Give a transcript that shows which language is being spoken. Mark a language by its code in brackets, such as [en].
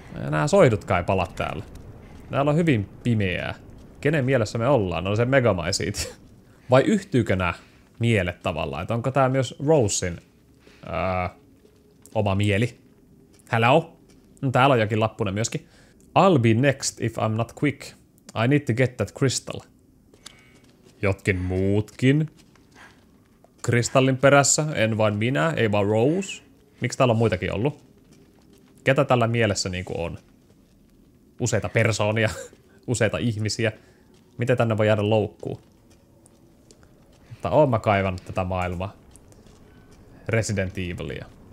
[fi] Nää soihdutkaan ei pala täällä. Täällä on hyvin pimeää. Kenen mielessä me ollaan? No se Megamycet. Vai yhtyykö nää mielet tavallaan, että onko tää myös Rosen oma mieli. Hello? No, täällä on jokin lappunen myöskin. [en] I'll be next if I'm not quick. I need to get that crystal. [fi] Jotkin muutkin. Kristallin perässä, en vain minä, ei vaan Rose. Miksi täällä on muitakin ollut? Ketä tällä mielessä niinku on? Useita persoonia, useita ihmisiä. Miten tänne voi jäädä loukkuun? Oon mä kaivannut tätä maailmaa. Resident Evilia.